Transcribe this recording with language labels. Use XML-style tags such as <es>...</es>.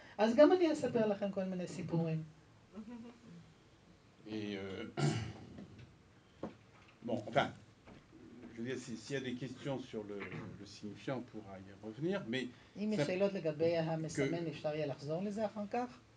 <he>אז גם אני אספר לכם כל מיני סיפורים.</he> <fr>Bon, enfin, je veux dire, s'il y a des questions sur le signifiant, on pourra y revenir, mais...</fr> <he>אם יש שאלות לגבי המסמן, אפשר יהיה לחזור לזה אחר כך?</he>